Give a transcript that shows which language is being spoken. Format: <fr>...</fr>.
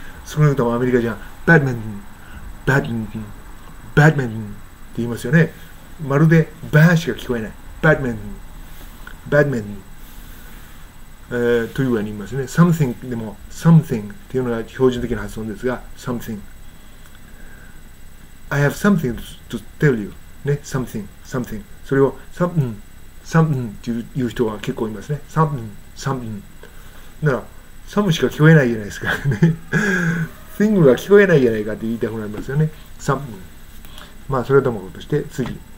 <ja>その歌もアメリカじゃバドミントン、バドミントン、バドミントンって言いますよね。まるでバーしか聞こえない。バドミントン、バドミントン、というふうに言いますね。 something でも something っていうのが標準的な発音ですが、something。</ja> <en>I have something to tell you ね、something、something。</en> <ja>それを something、something っていう人は結構いますね。</ja> <en>something、something。</en> <ja>なら、サムしか聞こえないじゃないですかね。シングルが聞こえないじゃないかって言いたくなりますよね。サム。まあ、それともことして、次。</ja>